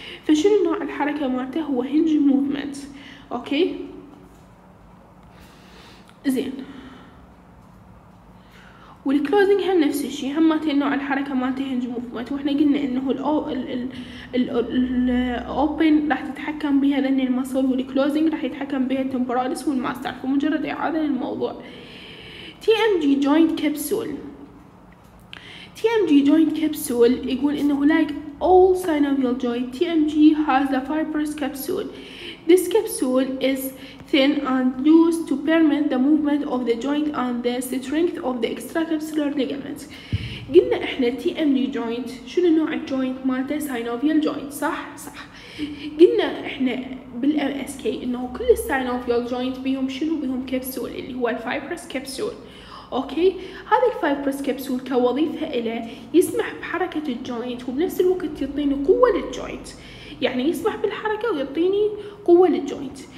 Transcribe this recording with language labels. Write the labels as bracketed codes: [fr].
[ar] فشنو نوع الحركة مالته؟ هو hinge movement، أوكي؟ زين والكلوزنج هم نفس الشيء، هم ما تنوع الحركة ما تهنج موفمت، وإحنا قلنا إنه الأوبن راح تتحكم بها لأن المصل، والكلوزنج راح يتحكم بها التمبرالس والماستر. فمجرد إعادة للموضوع، [en] TMJ joint capsule، TMJ joint capsule [ar] يقول إنه [en] like all synovial joint TMJ has the fibrous capsule. This capsule is thin and loose to permit the movement of the joint and the strength of the extracapsular ligament. [ar] قلنا احنا TMJ joint شنو نوع الجوينت مالته؟ synovial joint، صح؟ صح. قلنا احنا بالMSK انه كل synovial joint بيهم شنو؟ بيهم capsule اللي هو fibrous capsule. اوكي، هذا الفايبرس كبسول كوظيفه له يسمح بحركه الجوينت، وبنفس الوقت يعطيني قوه للجوينت، يعني يسمح بالحركه ويعطيني قوه للجوينت.